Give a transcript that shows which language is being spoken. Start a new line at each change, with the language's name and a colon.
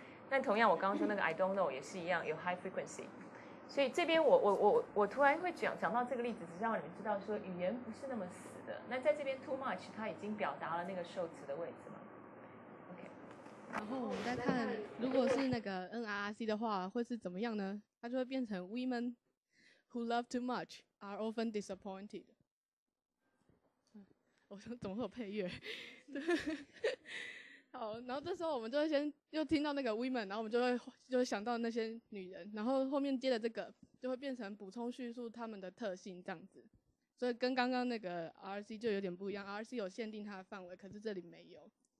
Chinese: 但同样，我刚刚说那个
English: I don't know
Chinese: 也是一样，有
English: high frequency。
Chinese: 所以这边我突然会讲到这个例子，只是让你们知道说语言不是那么死的。那在这边
English: too much
Chinese: 它已经表达了那个受词的位置嘛。OK，然后我们再看，如果是那个 NRRC 的话，会是怎么样呢？它就会变成
English: women who love too much are often disappointed。
Chinese: 我想怎么会有配乐？好，然后这时候我们就会先又听到那个 women， 然后我们就会想到那些女人，然后后面接的这个就会变成补充叙述她们的特性这样子，所以跟刚刚那个 RC 就有点不一样， RC 有限定它的范围，可是这里没有。